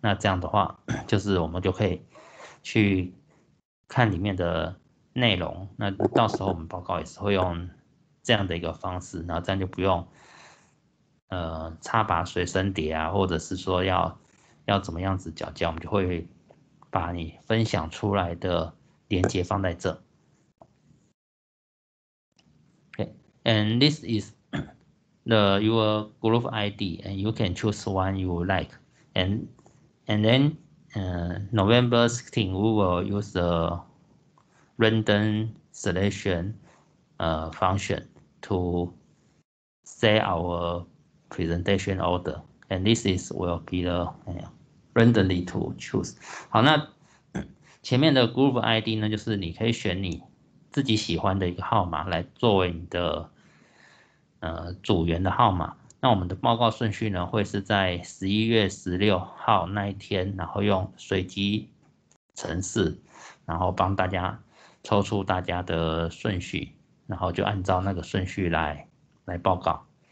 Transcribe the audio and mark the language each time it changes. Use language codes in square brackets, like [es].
[zh] 那这样的话，就是我们就可以去看里面的内容，那到时候我们报告也是会用这样的一个方式，然后这样就不用插拔随身碟啊，或者是说要怎么样子交接，我们就会把你分享出来的连接放在这。 [en] OK，and this is the your group ID and you can choose one you like and then November 16, we will use the random selection function to say our presentation order. And this is will be the randomly to choose. [zh] 好，那前面的 group ID 呢，就是你可以选你自己喜欢的一个号码来作为你的组员的号码。那我们的报告顺序呢，会是在11月16号那一天，然后用随机程式，然后帮大家抽出大家的顺序，然后就按照那个顺序来报告。